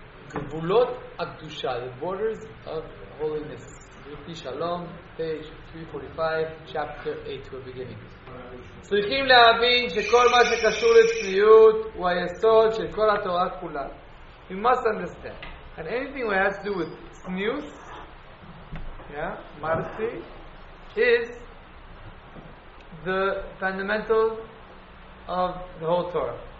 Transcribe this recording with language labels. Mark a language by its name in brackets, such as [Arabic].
[English] Gvulot Akdusha, the borders of holiness. Rifi Shalom, page 345, chapter 8, we're beginning. [Hebrew] צריכים להבין שכל מה שקשור לצניעות הוא היסוד של כל התורה כולה. [English] We must understand. And anything that has to do with tznius, yeah, marcy, is the fundamental of the whole Torah.